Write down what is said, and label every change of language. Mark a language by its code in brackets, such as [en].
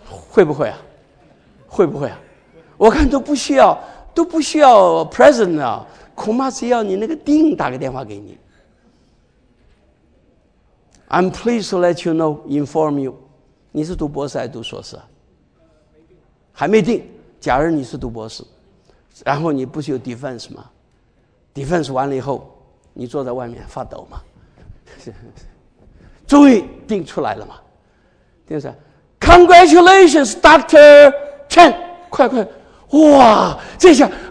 [zh] 会不会啊？会不会啊？我看都不需要，都不需要 president 啊，恐怕是要你那个丁打个电话给你。 [en] I'm pleased to let you know, inform you. [zh] 你是读博士还是读硕士？还没定。假如你是读博士，然后你不是有 defense 吗？ defense 完了以后，你坐在外面发抖吗？终于定出来了嘛。定出来， [en] Congratulations, Dr. Chen! [zh] 快快，哇，这下，